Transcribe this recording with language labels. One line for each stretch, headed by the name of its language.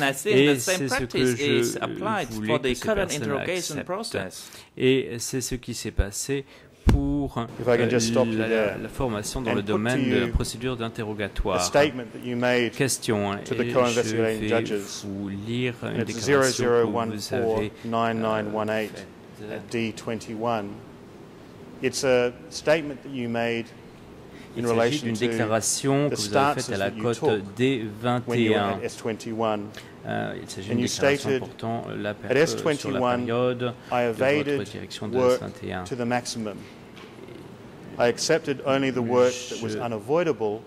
French: Et c'est ce que je voulais que ces personnes acceptent. Et c'est ce qui s'est passé pour la formation dans le domaine de la procédure d'interrogatoire. Question, et je vais vous lire une déclaration que vous avez faite.
English: It's a statement that you made in relation to the stances that you took when you were at S21.
French: Il s'agit d'une déclaration portant la période sur la période de votre direction de S21.
English: To the maximum. I accepted only the work that was unavoidable.